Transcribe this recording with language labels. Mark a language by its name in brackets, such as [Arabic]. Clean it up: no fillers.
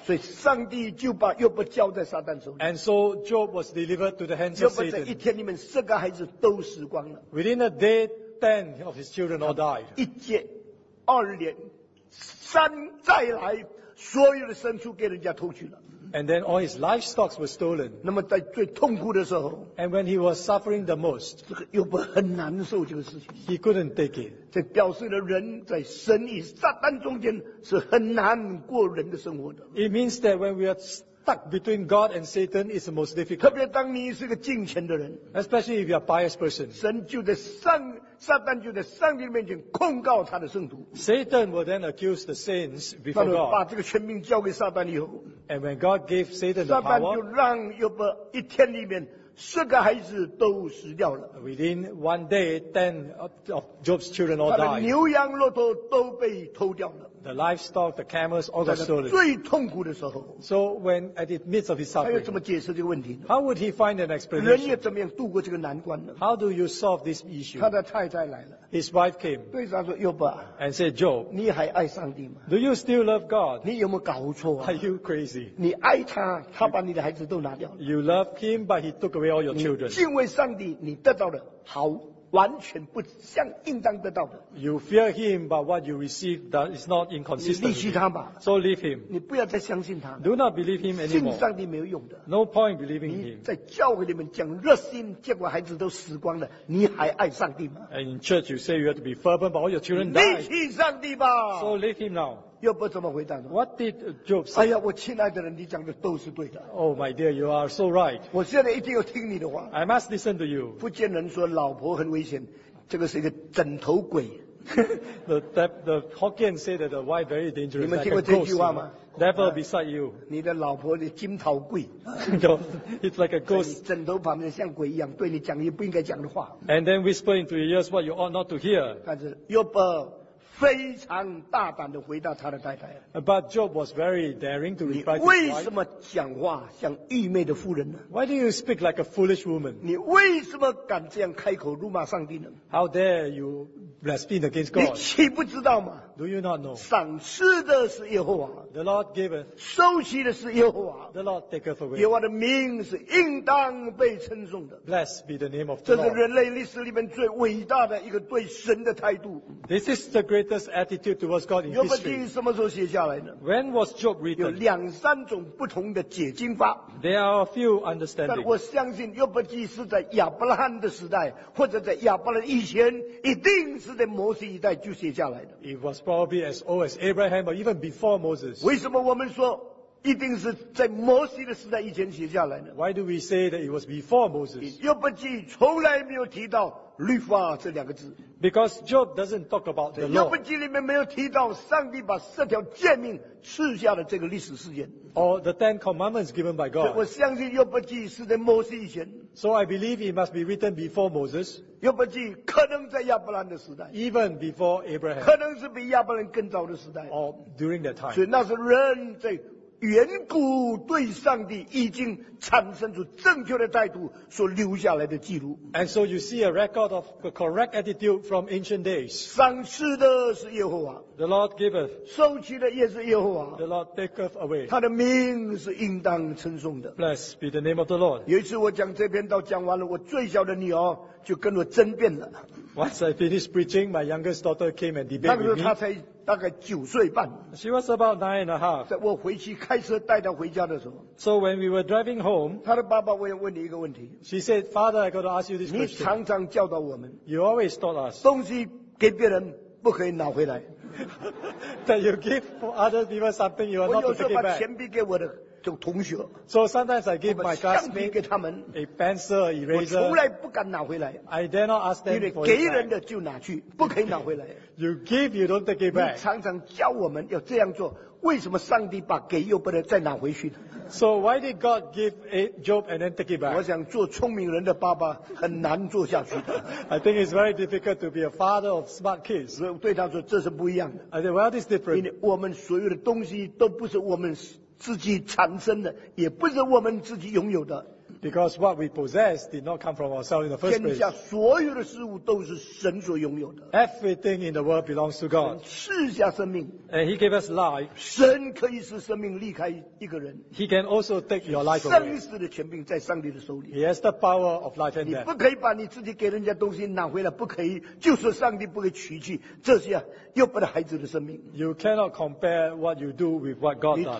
[Chinese] 所以上帝就把约伯交在撒旦手里 [English] and so Job was delivered to the hands of Satan [Chinese] 约伯在一天里面四个孩子都死光了 [English] within a day 10 of his children all died [Chinese] 一劫二年三再来所有的牲畜给人家偷去了 [English] And then all his livestock were stolen. [Chinese] 那么在最痛苦的时候 [English] ，And when he was suffering the most， [Chinese] 这个又不很难受这个事情。 [English] He couldn't take it。 [Chinese] 这表示了人在神与撒旦中间是很难过人的生活的。 [English] It means that when we are stuck between God and Satan, it's the most difficult。 [Chinese] 特别当你是个敬虔的人 [English] ，Especially if you are a pious person。 [Chinese] 神就在上。撒旦就在上帝面前控告他的圣徒。 [English] Satan will then accuse the saints before God. [Chinese] 那么把这个权柄交给撒旦以后 [English] ，And when God gave Satan the power, [Chinese] 撒旦就让约伯一天里面十个孩子都死掉了。 [English] Within one day, ten of Job's children all died. [Chinese] 他的牛羊骆驼都被偷掉了。 [English] The livestock, the camels, all got stolen. [Chinese] 最痛苦的时候。 [English] So when at the midst of his suffering, [Chinese] 他又怎么解释这个问题呢 [English] ？How would he find an explanation? [Chinese] 人又怎么样度过这个难关呢 [English] ？How do you solve this issue? [Chinese] 他的太太来了。 [English] His wife came. [Chinese] 对他说：“约伯。 [English] ”And said, Job, [Chinese] 你还爱上帝吗 [English] ？Do you still love God? [Chinese] 你有没有搞错啊 [English] ？Are you crazy? [Chinese] 你爱他，他把你的孩子都拿掉了。 [English] You love him, but he took away all your children. [Chinese] 你敬畏上帝，你得到了好。完全不像应当得到的。 [English] You fear him, but what you receive that is not inconsistent. [Chinese] 你离弃他吧。 [English] So leave him. [Chinese] 你不要再相信他。 [English] Do not believe him anymore. [Chinese] 信上帝没有用的。 [English] No point believing him. [Chinese] 在教会里面讲热心，结果孩子都死光了，你还爱上帝吗 [English] ？And in church you say you have to be fervent, but all your children die. [Chinese] 离弃上帝吧。 [English] So leave him now. [Chinese] 约伯怎么回答呢 [English] ？What did Job say? [Chinese] 哎呀，我亲爱的人，你讲的都是对的。 [English] Oh, my dear, you are so right. [Chinese] 我现在一定要听你的话。 [English] I must listen to you. [Chinese] 不见人说老婆很危险，这个是一个枕头鬼。 [English] the Hokkien said that the wife very dangerous. [Chinese] 你们听过这句话吗 [English] ？Devil beside you. [Chinese] 你的老婆是金头鬼。 [English] It's like a ghost. [Chinese] 枕头旁边像鬼一样，对你讲你不应该讲的话。 [English] And then whisper into your ears what you ought not to hear. [Chinese] 但是约伯。非常大胆地回答他的太太。 [English] But Job was very daring to reply to his wife. [Chinese] 你为什么讲话像愚昧的妇人呢 [English] ？Why do you speak like a foolish woman？ [Chinese] 你为什么敢这样开口辱骂上帝呢 [English] ？How dare you blaspheme against God？ [Chinese] 你岂不知道吗 [English] ？Do you not know？ [Chinese] 赏赐的是耶和华。 [English] The Lord giveth。 [Chinese] 收起的是耶和华。 [English] The Lord taketh away。 [Chinese] 耶和华的名是应当被称颂的。 [English] Blessed be the name of the Lord。 [Chinese] 这是人类历史里面最伟大的一个对神的态度。 [English] This is the great. This attitude towards God in history. [Chinese] 约伯记什么时候写下来呢 [English] ？When was Job written? [Chinese] 有两三种不同的解经法。 [English] There are a few understandings. [Chinese] 但我相信约伯记是在亚伯拉罕的时代，或者在亚伯拉罕以前，一定是在摩西一代就写下来的。 [English] It was probably as old as Abraham, or even before Moses. [Chinese] 为什么我们说一定是在摩西的时代以前写下来呢 [English] ？Why do we say that it was before Moses? [Chinese] 约伯记从来没有提到。律法这两个字 [English] ，because Job doesn't talk about the law。 [Chinese] 约伯记里面没有提到上帝把十条诫命赐下的这个历史事件 [English] ，or the Ten Commandments given by God。 [Chinese] 我相信约伯记是在摩西以前 [English] ，so I believe it must be written before Moses。 [Chinese] 约伯记可能在亚伯兰的时代 [English] ，even before Abraham， [Chinese] 可能是比亚伯兰更早的时代 [English] ，or during that time。 [Chinese] 所以那是人在。远古对上帝已经产生出正确的态度所留下来的记录。 [English] And so you see a record of the correct attitude from ancient days. [Chinese] 赏赐的是耶和华。 [English] The Lord giveth. [Chinese] 收取的也是耶和华。 [English] The Lord taketh away. [Chinese] 他的名是应当称颂的。 [English] Blessed be the name of the Lord. [Chinese] 有一次我讲这篇道讲完了，我最小的女儿就跟我争辩了。 [English] Once I finished preaching, my youngest daughter came and debated with me. [Chinese] 大概九岁半。 [English] She was about nine and a half. [Chinese] 在我回去开车带她回家的时候。 [English] So when we were driving home, [Chinese] 她的爸爸我也问你一个问题。 [English] She said, Father, I got to ask you this question. [Chinese] 你常常教导我们。 [English] You always taught us. [Chinese] 东西给别人不可以拿回来。 [English] That you give other people something you are not to take back. [Chinese] 我有时候把钱币给我的就同学。 [English] So sometimes I give my classmate a pencil, eraser. [Chinese] 我从来不敢拿回来。 [English] I dare not ask them for it back. [Chinese] 因为给人的就拿去，不可以拿回来。 [English] You give, you don't take it back. [Chinese] 你常常教我们要这样做，为什么上帝把给又不能再拿回去呢 [English] ？So why did God give a job and then take it back? [Chinese] 我想做聪明人的爸爸很难做下去的。 [English] I think it's very difficult to be a father of smart kids. [Chinese] 我对他说这是不一样的。 [English] I said, well, this is different. [Chinese] 因为我们所有的东西都不是我们自己产生的，也不是我们自己拥有的。 [English] Because what we possess did not come from ourselves in the first place. [Chinese] 天下所有的事物都是神所拥有的。 [English] Everything in the world belongs to God. [Chinese] 赐下生命。 [English] And he gave us life. [Chinese] 神可以使生命离开一个人。 [English] He can also take your life away. [Chinese] 生死的权柄在上帝的手里。 [English] He has the power of life and death. [Chinese] 你不可以把你自己给人家东西拿回来，不可以， 就是上帝不可以取去， 这些又不是孩子的生命。 [English] You cannot compare what you do with what God done.